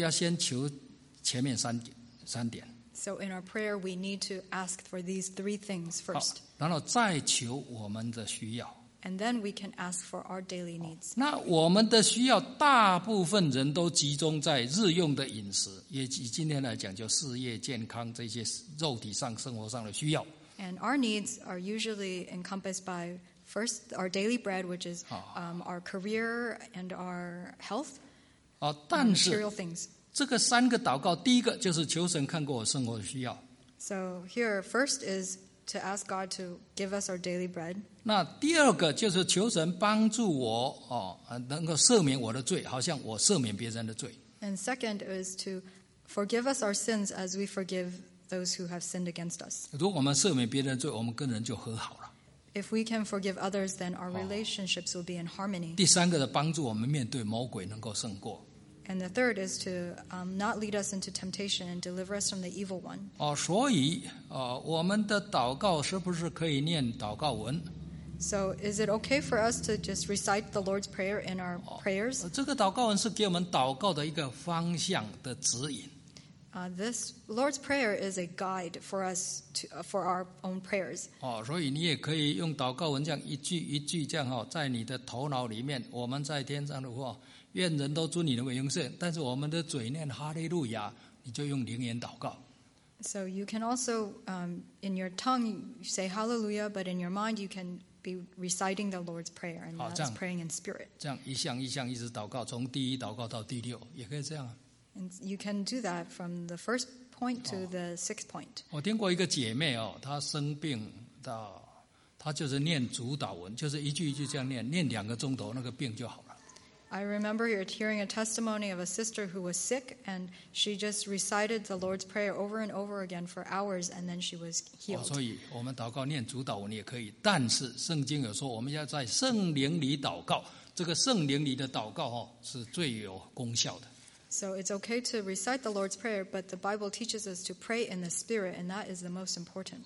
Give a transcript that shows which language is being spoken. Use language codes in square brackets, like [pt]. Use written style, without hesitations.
[zh] 所以我们祷告要先求前面三点。 [en] So in our prayer, we need to ask for these three things first. [zh] 然后再求我们的需要。 [en] And then we can ask for our daily needs. [zh] 那我们的需要大部分人都集中在日用的饮食，也以今天来讲，就事业、健康这些肉体上、生活上的需要。 [en] And our needs are usually encompassed by first our daily bread, which is our career and our health. [zh] 但是这个三个祷告，第一个就是求神看过我生活的需要。 [en] So here, first is to ask God to give us our daily bread. [zh] 那第二个就是求神帮助我，能够赦免我的罪，好像我赦免别人的罪。 [en] And second is to forgive us our sins as we forgive those who have sinned against us. [zh] 如果我们赦免别人的罪，我们跟人就和好了。 [en] If we can forgive others, then our relationships will be in harmony. [zh] 第三个的帮助我们面对魔鬼能够胜过。 [en] And the third is to not lead us into temptation and deliver us from the evil one. [zh] 哦，所以我们的祷告是不是可以念祷告文？ [en] So is it okay for us to just recite the Lord's Prayer in our prayers? [zh] 这个祷告文是给我们祷告的一个方向的指引。 [en] This Lord's Prayer is a guide for us to, for our own prayers. [zh] 哦，所以你也可以用祷告文这样一句一句这样哈，在你的头脑里面，我们在天上的话，愿人都尊你的为永圣。但是我们的嘴念哈利路亚，你就用灵言祷告。 [en] So you can also in your tongue say Hallelujah, but in your mind you can. Be reciting the Lord's Prayer and that's praying in spirit. [zh] 这样一项一项一直祷告，从第一祷告到第六，也可以这样啊。 [en] And you can do that from the first point to the sixth point. [zh] 我听过一个姐妹哦，她生病到，她就是念主导文，就是一句一句这样念，念两个钟头，那个病就好了。 [en] I remember hearing a testimony of a sister who was sick, and she just recited the Lord's Prayer over and over again for hours, and then she was healed. [zh] 所以我们祷告念主导文也可以，但是圣经有说我们要在圣灵里祷告，这个圣灵里的祷告是最有功效的。 [en] So it's okay to recite the Lord's Prayer, but the Bible teaches us to pray in the Spirit, and that is the most important.